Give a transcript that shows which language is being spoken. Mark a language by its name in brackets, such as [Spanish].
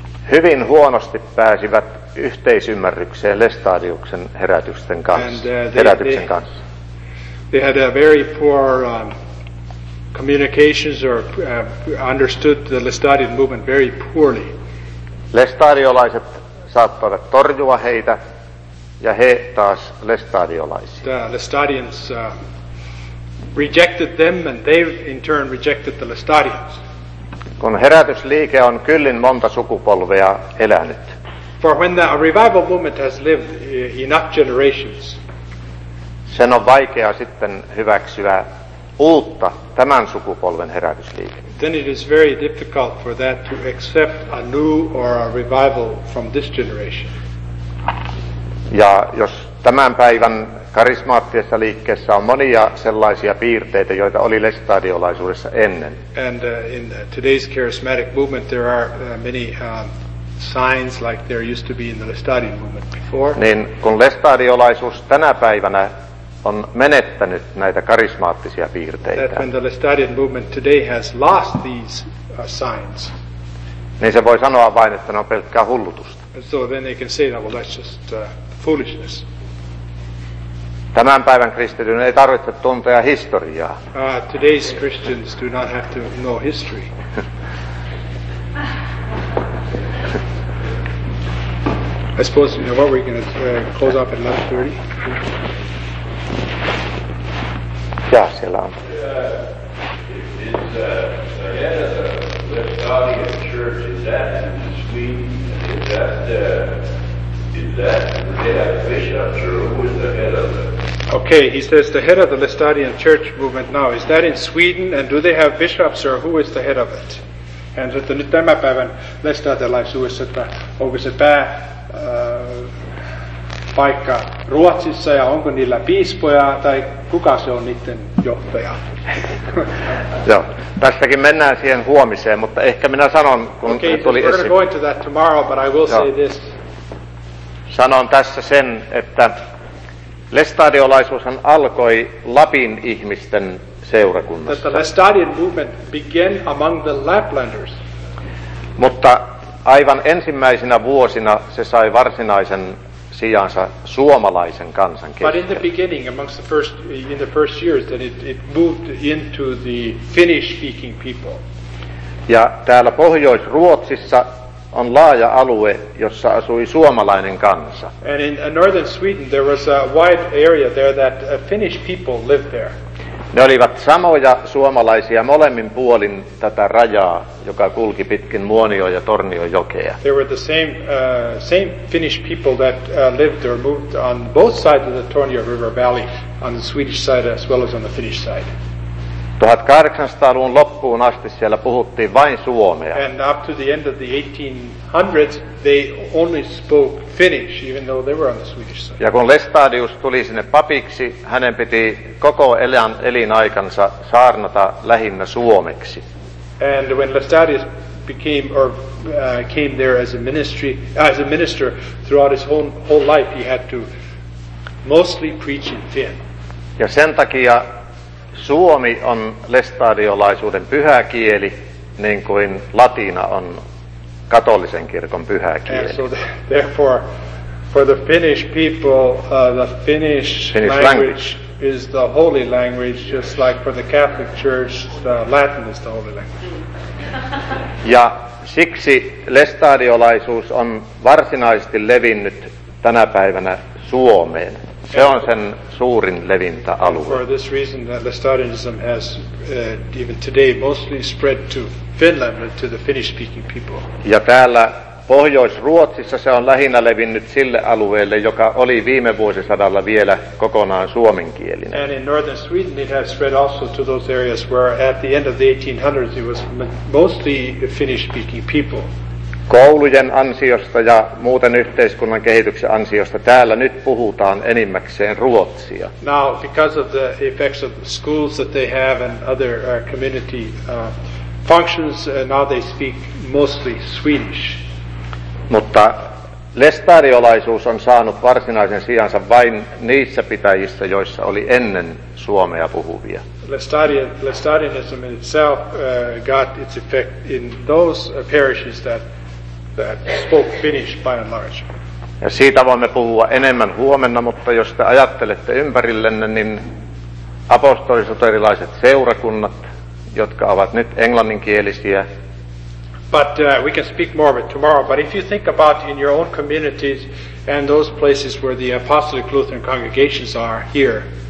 [Finnish] Hyvin huonosti pääsivät yhteisymmärrykseen Lestadiuksen herätysten kanssa. [English] And, they had a very poor communications or understood the Lestadian movement very poorly. [Finnish] Lestadiolaiset saattoivat torjua heitä. Ja he taas lestadiolaisia. [English] The Lestadians rejected them and they in turn rejected the Lestadians. [Finnish] Kun herätysliike on kyllin monta sukupolvea elänyt. [English] For when the revival movement has lived enough generations. [Finnish] Sen on vaikea sitten hyväksyä uutta tämän sukupolven herätysliike. [English] Then it is very difficult for that to accept a new or a revival from this generation. [Finnish] Ja jos tämän päivän karismaattisessa liikkeessä on monia sellaisia piirteitä, joita oli lestadiolaisuudessa ennen. [English] And in today's charismatic movement there are many signs like there used to be in the Lestadian movement before. [Finnish] Niin kun lestadiolaisuus tänä päivänä on menettänyt näitä karismaattisia piirteitä. [English] That when the Lestadian movement today has lost these signs. [Finnish] Niin se voi sanoa vain, että ne on pelkkää hullutusta. [English] So then they can say that, well, that's just foolishness. [Finnish] Tämän päivän kristityn ei tarvitse tuntea historiaa. [English] Today's Christians do not have to know history. I suppose, you know, what we're going to close up at 11:30. [Finnish] Ja siellä on. [English] Okay, he says the head of the Lestadian church movement now, is that in Sweden and do they have bishops or who is the head of it? And the [Finnish] nyt tämä päivän lestadialaisuus, että onko se pääpaikka Ruotsissa ja onko niillä piispoja tai kuka se on niiden johtaja? Joo, tästäkin mennään siihen huomiseen, mutta ehkä minä sanon, kun okay, tuli esiin. [English] We're going to that tomorrow, but I will say this. [Finnish] Sanon tässä sen, että lestadiolaisuushan alkoi Lapin ihmisten seurakunnassa. [English] That the Lestadian movement began among the Laplanders. [Finnish] Mutta aivan ensimmäisinä vuosina se sai varsinaisen sijansa suomalaisen kansan keskellä. [English] But in the beginning, amongst the first, in the first years, that it moved into the Finnish-speaking people. [Finnish] Ja täällä Pohjois-Ruotsissa on laaja alue, jossa asui suomalainen kansa. [English] And in northern Sweden there was a wide area there that Finnish people lived there. [Finnish] Ne olivat samoja suomalaisia molemmin puolin tätä rajaa, joka kulki pitkin Muonion ja Tornion jokea. [English] They were the same Finnish people that lived or moved on both sides of the Tornio River valley, on the Swedish side as well as on the Finnish side. [Finnish] 1800-luvun loppuun asti siellä puhuttiin vain suomea. [English] And up to the end of the 1800s, they only spoke Finnish, even though they were on the Swedish side. [Finnish] Ja kun Lestadius tuli sinne papiksi, hänen piti koko elinaikansa saarnata lähinnä suomeksi. [English] And when Lestadius became or came there as a ministry, as a minister, throughout his whole life, he had to mostly preach in Finn. [Finnish] Ja sen takia suomi on lestadiolaisuuden pyhä kieli, niin kuin latina on katolisen kirkon pyhä kieli. [English] And so therefore, for the Finnish people, the Finnish language is the holy language, just like for the Catholic Church, the Latin is the holy language. [Finnish] Ja siksi lestadiolaisuus on varsinaisesti levinnyt tänä päivänä Suomeen. Se on sen suurin levintäalue. [English] For this reason that Lestadianism has even today mostly spread to Finland and to the Finnish speaking people. [Finnish] Ja täällä Pohjois-Ruotsissa se on lähinnä levinnyt sille alueelle, joka oli viime vuosisadalla vielä kokonaan suomenkielinen. [English] And in northern Sweden it has spread also to those areas where at the end of the 1800s it was mostly Finnish speaking people. [Finnish] Koulujen ansiosta ja muuten yhteiskunnan kehityksen ansiosta täällä nyt puhutaan enimmäkseen ruotsia. [English] Now, because of the effects of the schools that they have and other community functions, now they speak mostly Swedish. [Finnish] Mutta lestariolaisuus on saanut varsinaisen sijansa vain niissä pitäjissä, joissa oli ennen suomea puhuvia. [English] Lestadianism in itself got its effect in those parishes that spoke Finnish by and large. [Finnish] Ja siitä voimme puhua enemmän huomenna, mutta jos te ajattelette ympärillenne, niin apostoliset erilaiset seurakunnat, jotka ovat nyt englanninkielisiä. [English] But we can speak more of it tomorrow, but if you think about in your own communities and those places where the apostolic Lutheran congregations are here,